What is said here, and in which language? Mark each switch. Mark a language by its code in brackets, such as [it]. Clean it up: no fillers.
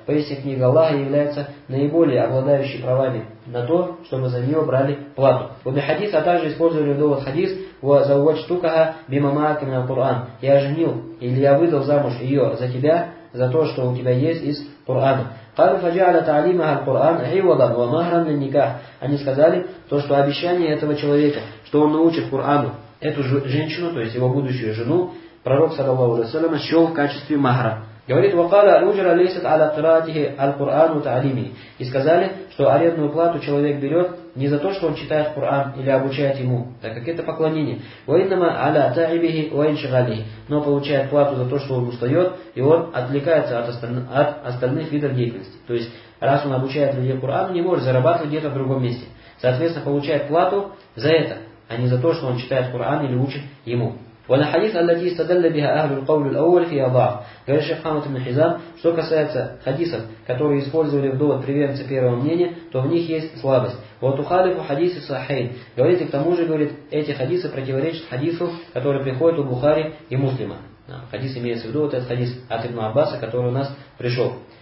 [ru] Поистине книга Аллаха является наиболее обладающей правами на то, чтобы за нее брали плату. Вот хадис, а также использовали довод хадис [ar] «Ва заувач тукаха бима маака мина Коран». [ru] «Я женил или я выдал замуж ее за тебя», за то, что у тебя есть из Корана. [ar] قال فجعل تعليمها القرآن عوضا ومهرا للنكاح. [ru] Они сказали то, что обещание этого человека, что он научит Корану эту женщину, то есть его будущую жену, Пророк, саллаллаху алейхи ва саллям, счел в качестве махра. Говорит, [ar] وَقَالَ الْأُجْرَ لَيْسَتْ عَلَى قِرَاتِهِ الْقُرْآنُ وَتَعْلِيمِهِ. [ru] И сказали, что арендную плату человек берет не за то, что он читает Коран или обучает ему, так как это поклонение. [ar] وَإِنَّمَا عَلَى تَعِبِهِ وَإِنْشِغَالِهِ. [ru] Но получает плату за то, что он устает, и он отвлекается от остальных видов деятельности. То есть, раз он обучает людей Коран, не может зарабатывать где-то в другом месте. Соответственно, получает плату за это, а не за то, что он читает Коран или учит ему. [ar] والحديث الذي استدل بها أهل القول الأول في أضعف. قال الشيخ حامد بن حزام. [ru] Что касается хадисов, которые использовали в довод приверженцы первого мнения, то в них есть слабость. Вот у халифу хадисы сахейн. Говорит, и к тому же говорит, эти хадисы противоречат хадису, который приходит у Бухари и Муслима. Хадис имеется в виду вот этот хадис от Ибн Аббаса, который у нас пришел.